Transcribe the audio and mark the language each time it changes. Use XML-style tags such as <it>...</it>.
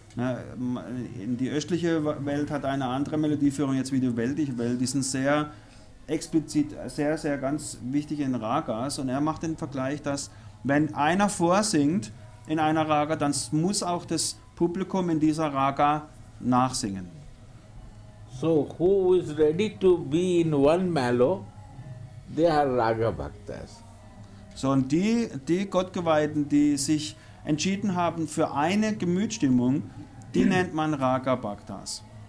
<de>Die östliche Welt hat eine andere Melodieführung jetzt wie die weltliche Welt. Die sind sehr explizit, sehr, sehr ganz wichtig in Ragas. Und er macht den Vergleich, dass wenn einer vorsingt in einer Raga, dann muss auch das Publikum in dieser Raga nachsingen.</de> <en>So, who is ready to be in one mellow, they are Raga Bhaktas.</en> <de>So, und die Gottgeweihten, die sich entschieden haben für eine Gemütsstimmung, die nennt man Raga Bhaktas.</de>